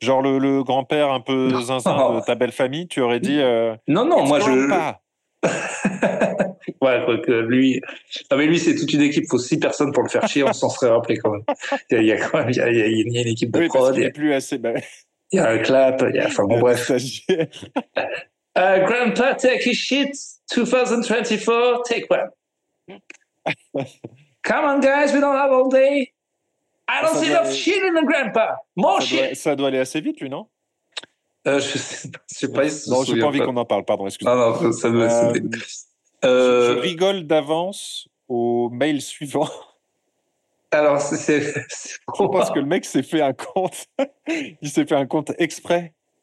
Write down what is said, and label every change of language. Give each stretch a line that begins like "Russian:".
French: Genre le grand-père un peu zinzin de ta belle famille, tu aurais dit. Non, moi je. Ouais, quoi que lui. Non, mais lui, c'est toute une équipe, il faut 6 personnes pour le faire chier, on s'en serait rappelé quand même. Il y a quand même il y a une équipe de oui, prod. Il n'y a plus assez. Il y a un clap, il y a. Enfin bon, bref.
English: Grandpa, take his shit, 2024, take one. Come on guys, we don't have all day. I don't see enough shit in the grandpa. More
French: ça
English: shit.
French: Ça doit aller assez vite, lui, non? Je sais pas. Non, j'ai pas envie qu'on en parle. Pardon, excuse-moi. Non, ça doit. Je rigole d'avance au mail suivant. Alors, c'est je pense que le mec s'est fait un compte. Il s'est fait un compte exprès.